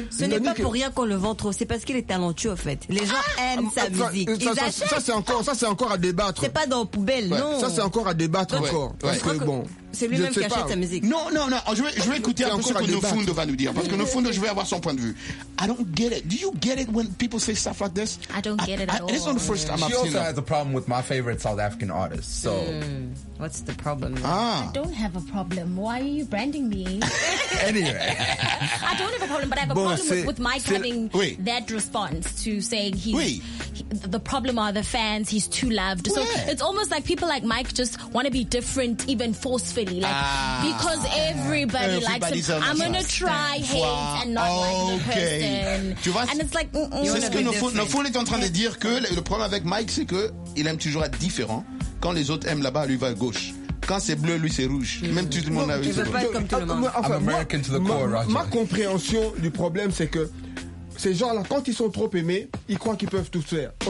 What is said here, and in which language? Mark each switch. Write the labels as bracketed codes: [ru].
[fr] Ce n'est pas pour rien qu'on le vend trop. C'est parce qu'il est talentueux, en fait. Les gens aiment sa musique. Ils achètent. Ça c'est encore à débattre. C'est pas dans la poubelle, ouais. Non. Ça c'est encore à débattre donc, encore. Ouais. Parce que bon. C'est lui-même qui achète sa musique. Non. Je vais écouter un peu ce que Nofundo va nous dire. Parce que Nofundo, je vais avoir son point de vue. [en] I don't get it. Do you get it when people say stuff like this? I don't get it at all. It's not the first time I've seen it. She also has a problem with my favorite South African artist. So. What's the problem? Ah. I don't have a problem. Why are you branding me? Anyway. I don't have a problem, but I have a problem with Mike having that response to saying the problem are the fans, he's too loved. [fr] Oui. [en] So it's almost like people like Mike just want to be different, even forcefully. Because everybody likes him. I'm going to try hate and not like the person. [fr] Tu vois, [en] and it's like, [fr] c'est ce que Nofun est en train de dire, que le problème avec Mike, c'est qu'il aime toujours être différent. Quand les autres aiment là-bas, lui va à gauche. Quand c'est bleu, lui c'est rouge. Même tout le monde a vu. Ma compréhension du problème, c'est que ces gens-là, quand ils sont trop aimés, ils croient qu'ils peuvent tout faire.